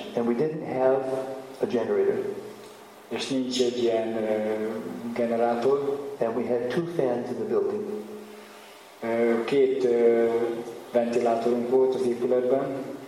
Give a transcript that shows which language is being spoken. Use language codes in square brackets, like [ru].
[en] And we didn't have a generator. [hu] És nincs egy ilyen generátor. [en] And we had two fans in the building. [hu] Két ventilátorunk volt az épületben.